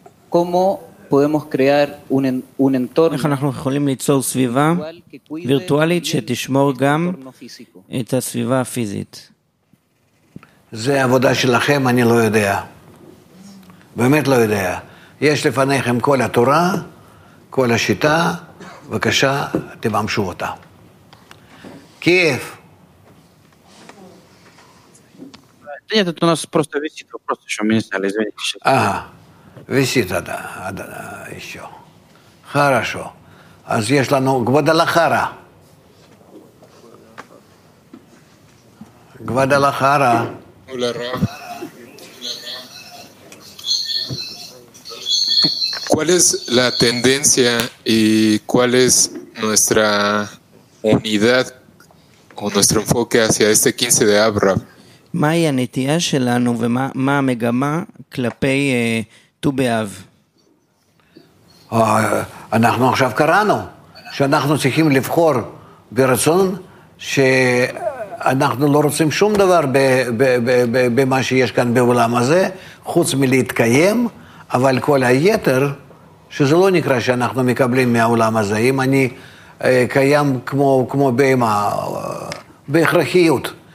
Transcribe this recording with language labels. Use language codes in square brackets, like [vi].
[es] Cómo podemos crear un entorno [he] איך אנחנו יכולים ליצור סביבה וירטואלית שתשמור גם את הסביבה הפיזית? זה עבודה שלכם, אני לא יודע. באמת לא יודע. יש לפניכם כל התורה, כל השיטה, בבקשה, תממשו אותה. כיף. [ru] Нет, это у нас просто висит вопрос, еще мне сняли, извините. Ага, висит, да, да, да, еще. Хорошо. А здесь, ну, Гвадалахара. Гвадалахара. [es] ¿Cuál es la tendencia y cuál es nuestra unidad o nuestro enfoque hacia este 15 de Av, Rav? [he] מהי הנטייה שלנו ומה המגמה כלפי ט"ו באב? אנחנו עכשיו קראנו שאנחנו צריכים לבחור ברצון שאנחנו לא רוצים שום דבר במה שיש כאן בעולם הזה, חוץ מלהתקיים, אבל כל היתר, שזה לא נקרא שאנחנו מקבלים מהעולם הזה, אם אני קיים כמו בהמה, בהכרחיות.